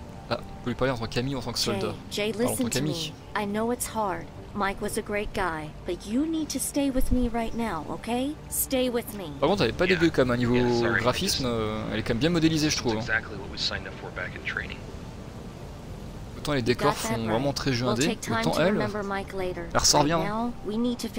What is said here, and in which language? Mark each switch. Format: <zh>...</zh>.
<fr>Ah, on peut lui parler en tant que Camille, en tant que soldat.</fr> <en>Jay, listen to me. I know it's hard. Mike was a great guy, but you need to stay with me right now, okay? Stay with me.</en> <fr>Par contre, elle est pas dégueu comme un niveau graphisme. Elle est quand même bien modélisée, je trouve.</fr> <en>Exactly what we signed up for back in training.</en> <fr>Autant les décors font vraiment très jeu indé, autant elle ressort bien. Hein.</fr>